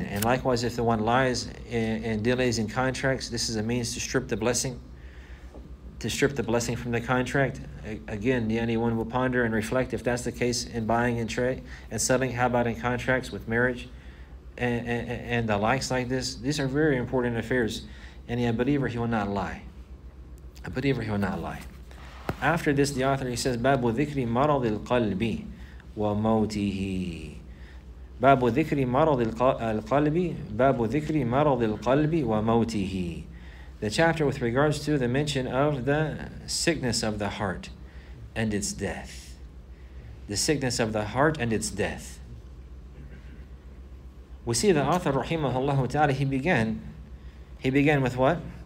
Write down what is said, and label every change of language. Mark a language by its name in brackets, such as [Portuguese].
[English] And likewise, if the one lies and delays in contracts, this is a means to strip the blessing, from the contract. Again, anyone will ponder and reflect, if that's the case in buying and trade and selling, how about in contracts with marriage and the likes like this? These are very important affairs. And a believer, he will not lie. A believer, he will not lie. After this, the author, he says, [Arabic] بَابُ ذِكْرِ مَرَضِ الْقَلْبِ وَمَوْتِهِ بَابُ ذِكْرِ مَرَضِ الْقَلْبِ بَابُ ذِكْرِ مَرَضِ الْقَلْبِ وَمَوْتِهِ [English] The chapter with regards to the mention of the sickness of the heart and its death. The sickness of the heart and its death. We see the author, rahimahullah ta'ala, he began with what?